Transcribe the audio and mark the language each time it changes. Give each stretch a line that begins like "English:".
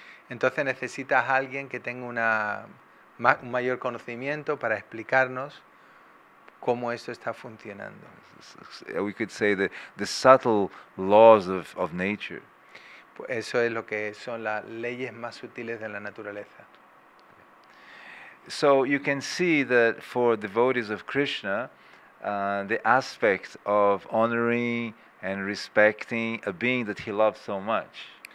Spanish: Entonces necesitas alguien que tenga un mayor conocimiento para explicarnos cómo esto está funcionando.
English: We could say the subtle laws of nature.
Spanish: Eso es lo que son las leyes más sutiles de la naturaleza.
English: So you can see that for devotees of Krishna, the aspect of honoring and respecting a being that he loves so much.